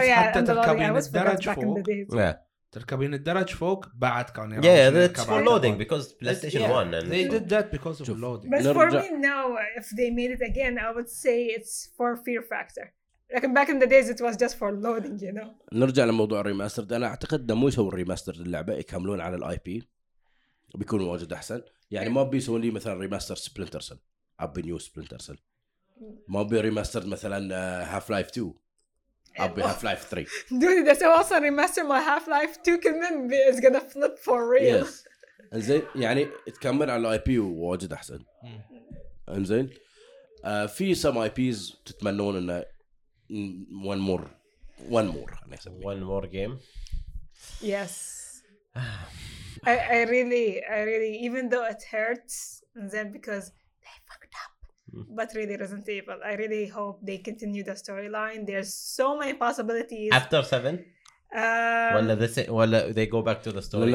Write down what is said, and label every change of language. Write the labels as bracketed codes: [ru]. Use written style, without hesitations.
[en] oh, yeah, [ar] حتى تركبين الدرج فوق. [en] Yeah. [ar] تركبين الدرج فوق بعد كان. [en] Yeah, that's for loading فوق. Because PlayStation yeah. 1 and they did that because of loading. But for me now, if they made it again, I would say it's for fear factor. لكن back in the days it was just for loading, you know. [ar] نرجع لموضوع الريماستر. أنا أعتقد ده مو يسوي الريماستر للعبة, يكملون على الاي بي بيكون واجد أحسن. يعني ما بيسوون لي مثلا ريماستر سبلنتر سيل, ابي نيو سبلنتر سيل. ما بي ريماستر مثلا هاف لايف 2, ابي هاف لايف 3. دودي ده سوى اصلا ريماستر ما هاف لايف 2 كمان [en] is gonna flip for real. Yes. [ar] انزين يعني تكمل على الاي بي وواجد احسن. انزين في سم اي بيز تتمنون انه [en] one more [ar] خلينا نسميه [en] one more game. Yes. I really, even though it hurts them because they fucked up, but really Resident Evil, I really hope they continue the storyline. There's so many possibilities. After 7? They go back to the story.